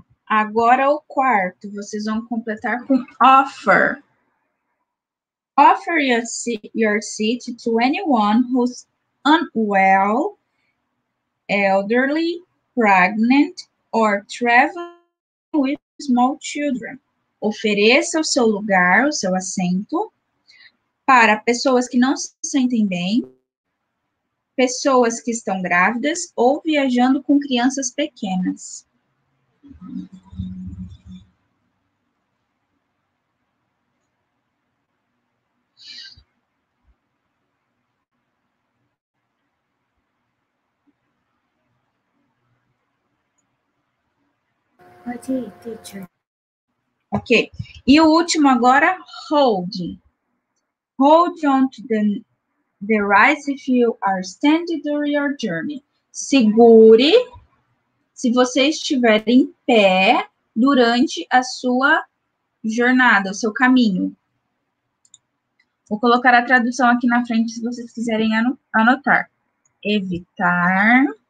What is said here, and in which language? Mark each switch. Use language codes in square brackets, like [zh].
[pt] Agora o quarto, vocês vão completar com offer. [en] Offer your seat to anyone who's unwell, elderly, pregnant, or traveling with small children. [pt] Ofereça o seu lugar, o seu assento, para pessoas que não se sentem bem, pessoas que estão grávidas ou viajando com crianças pequenas. Ok, e o último agora, hold. [en] Hold on to the right if you are standing during your journey. [pt] Segure se você estiver em pé durante a sua jornada, o seu caminho. Vou colocar a tradução aqui na frente se vocês quiserem anotar. Evitar.